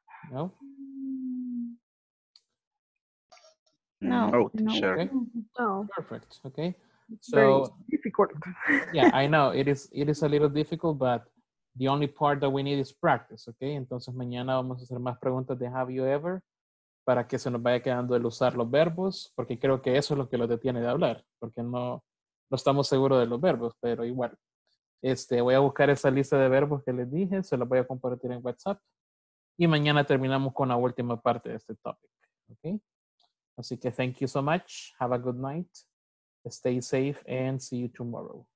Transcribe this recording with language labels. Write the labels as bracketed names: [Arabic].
[English] No. No. Okay. No. Perfect. Okay. So very difficult. Yeah, I know it is a little difficult, but the only part that we need is practice. [Spanish] Okay. Entonces mañana vamos a hacer más preguntas de [English] Have you ever? [Spanish] Para que se nos vaya quedando el usar los verbos, porque creo que eso es lo que lo detiene de hablar, porque no estamos seguros de los verbos, pero igual. Voy a buscar esa lista de verbos que les dije, se la voy a compartir en WhatsApp, y mañana terminamos con la última parte de este topic. [English] Okay? [Spanish] Así que [English] thank you so much, have a good night, stay safe, and see you tomorrow.